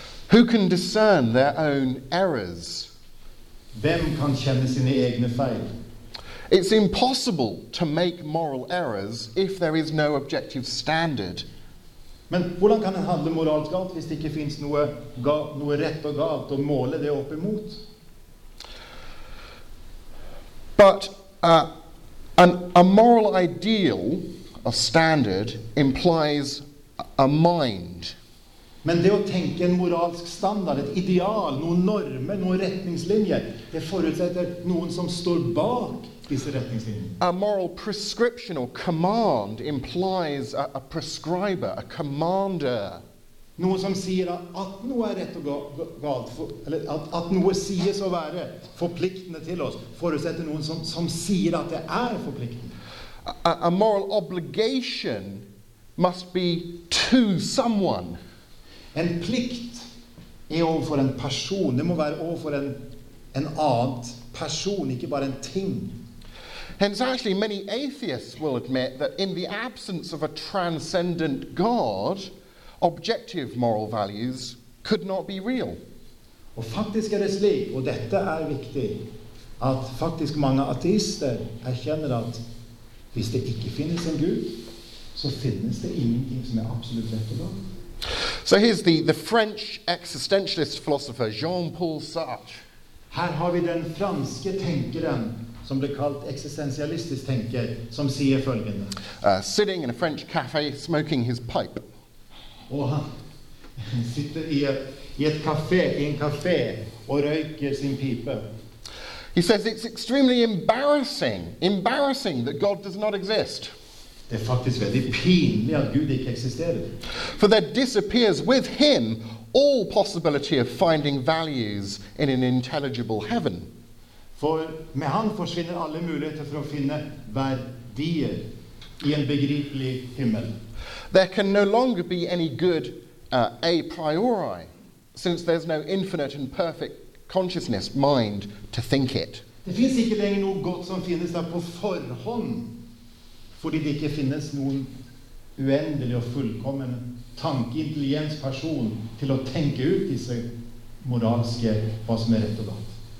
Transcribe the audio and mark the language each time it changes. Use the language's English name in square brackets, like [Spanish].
[English] Who can discern their own errors? [Norwegian] Hvem kan kjenne sine egne feil? [English] It's impossible to make moral errors if there is no objective standard. [Norwegian] Men hvordan kan en handle moralt galt hvis det ikke finnes noe rett og galt å måle det opp imot? [English] But a moral ideal, a standard, implies a mind. [Norwegian] Men det å tenke en moralsk standard, et ideal, noen normer, noen retningslinjer, det forutsetter noen som står bak disse retningslinjer. [English] A moral prescription or command implies a prescriber, a commander. [Norwegian] Noen som sier at noe rett og galt, eller at noe sies å være forpliktende til oss, forutsetter noen som sier at det forpliktende. [English] A moral obligation must be to someone. [Norwegian] En plikt overfor en person. Det må være overfor en annen person, ikke bare en ting. [English] Hence, actually, many atheists will admit that in the absence of a transcendent God, objective moral values could not be real. [Norwegian] Og faktisk det slik, og dette viktig, at faktisk mange ateister erkjenner at hvis det ikke finnes en Gud, så finnes det ingenting som absolutt rett og galt. [English] So here's the French existentialist philosopher Jean-Paul Sartre. [Norwegian] Her har vi den franske tenkeren som blir kalt existentialistisk tenker, som sier følgende. [English] Sitting in a French cafe smoking his pipe. [Swedish] Och han sitter i ett kafé, i en kafé, och röker sin pipa. [English] He says it's extremely embarrassing that God does not exist. [Swedish] Det är faktiskt väldigt pinligt att Gud inte existerar. [English] For there disappears with him all possibility of finding values in an intelligible heaven. [Swedish] För med han försvinner alla möjligheter för att finna värdier i en begriplig himmel. [English] There can no longer be any good a priori, since there's no infinite and perfect consciousness, mind, to think it. [Swedish] Det finns inte längre något gott som finns där på förhand, [Norwegian] fordi det ikke finnes noen uendelig og fullkommen tanke, intelligens person til å tenke ut disse moralske hva som rett og galt.